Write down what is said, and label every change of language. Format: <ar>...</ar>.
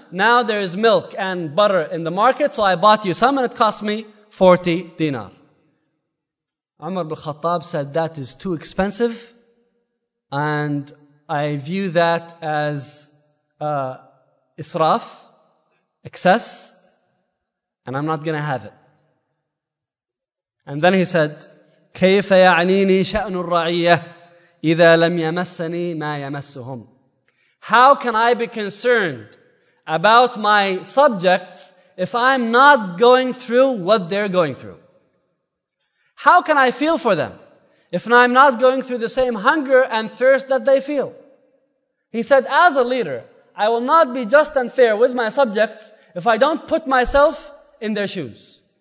<en>Now there is milk and butter in the market, so I bought you some and it cost me 40 dinar. Umar ibn Khattab said, that is too expensive and I view that as israf, excess, and I'm not going to have it. And then he said,</en> <ar>كَيْفَ يَعْنِينِي شَأْنُ الرَّعِيَّةِ إِذَا لَمْ يَمَسَّنِي مَا يَمَسُّهُمْ.</ar> <en>How can I be concerned about my subjects if I'm not going through what they're going through? How can I feel for them if I'm not going through the same hunger and thirst that they feel? He said, as a leader, I will not be just and fair with my subjects if I don't put myself in their shoes.</en>